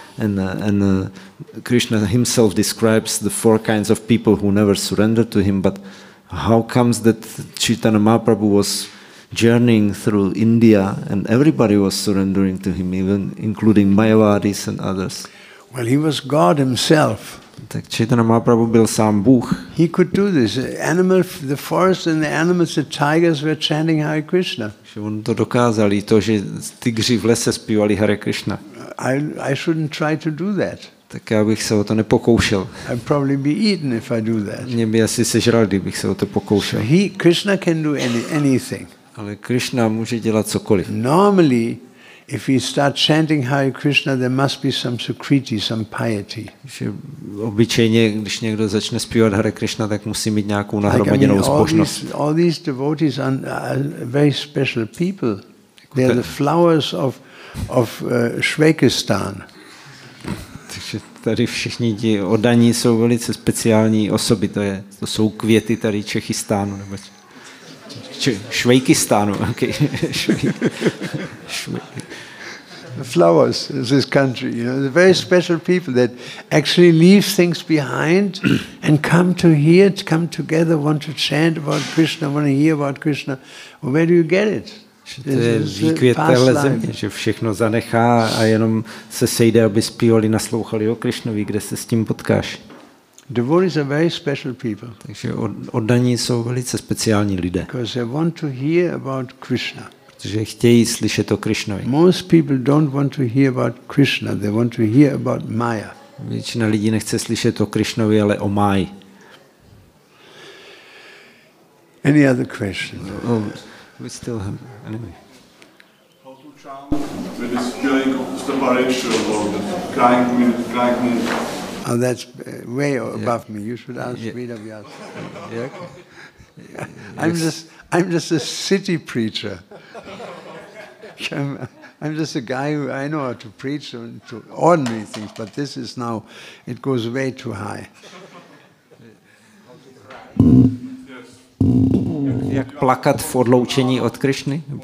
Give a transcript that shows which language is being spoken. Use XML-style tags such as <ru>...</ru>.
<en>And Krishna himself describes the 4 kinds of people who never surrender to him, but how comes that Chaitanya Mahaprabhu was journeying through India and everybody was surrendering to him, even including Mayavadis and others? Well, he was God himself.</en> <cs>Tak Chaitanya Mahaprabhu byl sám Bůh.</cs> <en>He could do this. The forest and the animals, the tigers were chanting Hare Krishna.</en> <cs>Že on to dokázal, to, že tygři v lese zpívali Hare Krishna.</cs> <en>I shouldn't try to do that.</en> <cs>Tak já bych se o to nepokoušel.</cs> <en>I'd probably be eaten if I do that.</en> <cs>Mě by asi sežral, kdybych se o to pokoušel.</cs> <en>Krishna can do anything.</en> <cs>Ale Krishna může dělat cokoliv.</cs> <en>Normally, if we start chanting Hare Krishna, there must be some sukriti, some piety.</en> <cs>Obyčejně, když někdo začne zpívat Hare Krishna, tak musí mít nějakou nahromaděnou zbožnost.</cs> <en>All these devotees are very special people. They are the flowers of Shvekistan.</en> <cs>Takže tady všichni ti oddaní jsou velice speciální osoby. To jsou květy tady Čechistánu. Švejkistánu. Okay.</cs> <en>The flowers of this country, you know, the very special people that actually leave things behind and come to hear, come together, want to chant about Krishna, want to hear about Krishna. Well, where do you get it?</en> <cs>To je výkvět téhle země, že všechno zanechá a jenom se sejde, aby zpívali, naslouchali o Krišnovi, kde se s tím potkáš.</cs> <en>Devotees are very special people.</en> <cs>Takže oddaní jsou velice speciální lidé.</cs> <en>Because they want to hear about Krishna.</en> <cs>Protože chtějí slyšet o Krišnovi.</cs> <en>Most people don't want to hear about Krishna. They want to hear about Maya.</en> <cs>Většina lidí nechce slyšet o Krišnovi, ale o Maji.</cs> <en>Any other question? Oh, we still have anyway. How to chant with this feeling of separation or the crying community? Oh, that's way above me. You should ask Veda Vyas. I'm just a city preacher. I'm just a guy who I know how to preach and to ordinary things, but this is now, it goes way too high.</en> <cs>Jak plakat v odloučení od Krišny?</cs>